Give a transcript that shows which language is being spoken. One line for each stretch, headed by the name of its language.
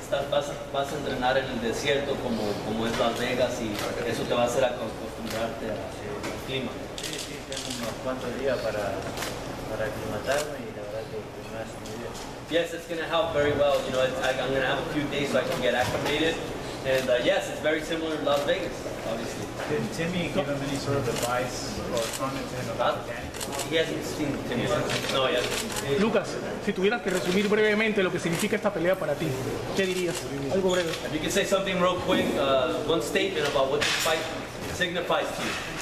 Spanish: Vas a entrenar en el desierto como es Las Vegas, y eso te va a hacer acostumbrarte a clima. Sí, tengo unos cuantos días para aclimatarme y la verdad que me hace muy bien.
English: Yes, it's going to help very well. You know, I'm going to have a few days so I can get acclimated. And yes, it's very similar to Las Vegas, obviously. Did Timmy give him any sort of advice or comment to him about Danny? No,
Spanish: Lucas, si tuvieras que resumir brevemente lo que significa esta pelea para ti, ¿qué dirías? Algo breve.
English: If you can say something real quick, one statement about what this fight signifies to you.